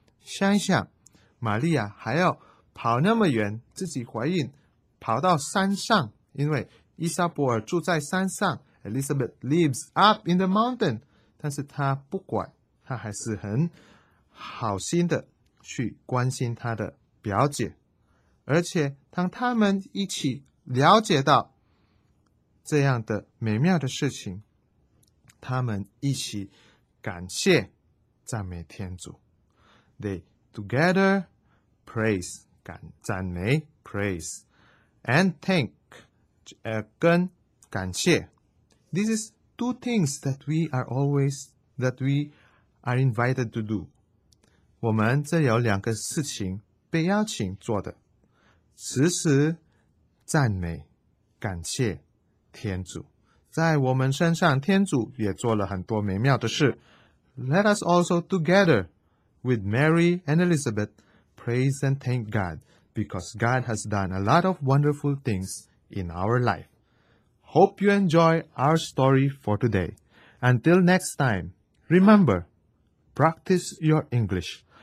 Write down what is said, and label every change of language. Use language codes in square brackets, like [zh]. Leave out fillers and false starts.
[zh] 想一想，玛利亚还要跑那么远，自己怀孕跑到山上，因为伊莎伯尔住在山上， [en] Elizabeth lives up in the mountain， [zh] 但是她不管，她还是很好心的去关心她的了解。而且当他们一起了解到这样的美妙的事情，他们一起感谢赞美天主。 [en] They together praise [zh] 赞美 [en] praise and thank [zh] 跟感谢。 [en] This is two things that we are invited to do。 [zh] 我们这有两个事情被邀请做的，时时赞美感谢天主。在我们身上天主也做了很多美妙的事。 [en] Let us also together with Mary and Elizabeth praise and thank God because God has done a lot of wonderful things in our life. Hope you enjoy our story for today. Until next time, remember, practice your English.